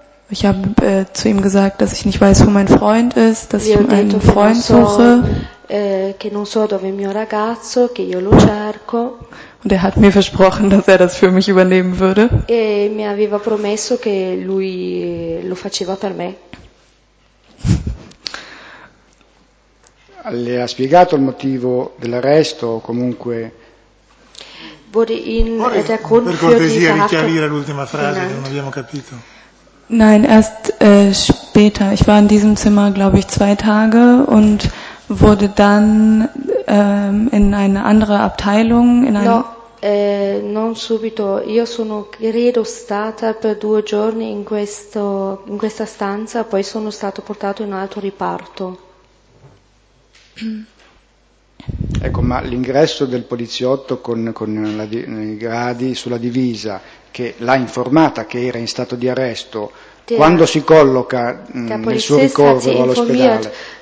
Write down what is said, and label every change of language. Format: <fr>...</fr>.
<de>Ich habe zu ihm gesagt, dass ich nicht weiß, wo mein Freund ist, dass ich meinen Freund suche.</de> <it>Che non so dove è mio ragazzo, che io lo cerco.</it> <de>Und er hat mir versprochen, dass er das für mich übernehmen würde.</de> <it>E mi aveva promesso che lui lo faceva per me. Le ha spiegato il motivo dell'arresto o comunque</it> <de>wurde in der</de> <it>Grund per cortesia richiarire l'ultima frase che non abbiamo capito.</it> <de>Nein, erst später. Ich war in diesem Zimmer, glaube ich, zwei Tage und wurde dann in eine andere Abteilung in</de> <it>no, non subito. Io sono credo stata per due giorni in questa stanza, poi sono stato portato in un altro reparto. Ecco, ma l'ingresso del poliziotto con i gradi sulla divisa che l'ha informata che era in stato di arresto, der, quando si colloca nel suo ricovero all'ospedale?</it>